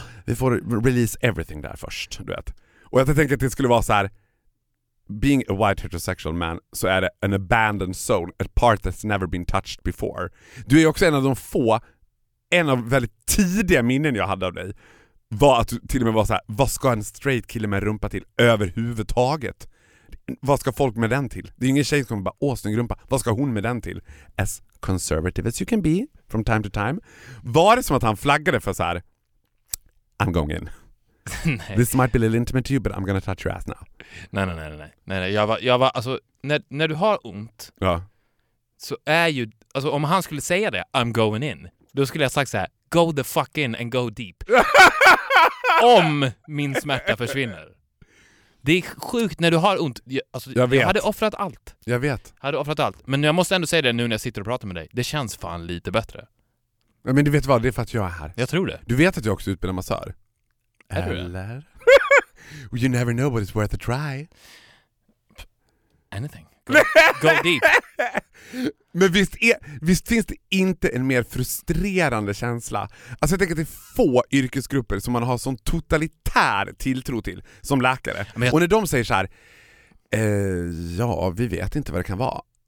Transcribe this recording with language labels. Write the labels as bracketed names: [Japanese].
[Swedish] Vi får [English] release everything [Swedish] där först, du vet. Och jag tänker att det skulle vara så här, [English] being a white heterosexual man, [Swedish] så är det [English] an abandoned soul, a part that's never been touched before. [Swedish] Du är också en av de få, en av väldigt tidiga minnen jag hade av dig, var att du till och med var så här, vad ska en straight kille med rumpa till överhuvudtaget? vad ska folk med den till? Det är ju ingen tjej som bara, åh, snygg rumpa. Vad ska hon med den till? [English] As conservative as you can be from time to time. [Swedish] Var det som att han flaggade för så här, [English] I'm going in. [Swedish] Nej. [English] This might be a little intimate to you, but I'm gonna touch your ass now. [Swedish] Nej, nej, nej, nej, nej, nej. Jag var, alltså, när du har ont, ja, så är ju, alltså, om han skulle säga det, [English] I'm going in, [Swedish] då skulle jag sagt så här, [English] go the fuck in and go deep. [Swedish] Om min smärta försvinner. Det är sjukt när du har ont. Jag hade offrat allt. Jag vet. Hade offrat allt. Men jag måste ändå säga det nu när jag sitter och pratar med dig. Det känns fan lite bättre. Ja, men du vet vad, det är för att jag är här. Jag tror det. Du vet att jag också utbildar massör. Eller? [English] You never know what it's worth a try. Anything. Go deep. [Swedish] Men visst finns det inte en mer frustrerande känsla? Alltså jag tänker att det är få yrkesgrupper som man har sån totalitär tilltro till som läkare. Och när de säger så här, ja, vi vet inte vad det kan vara.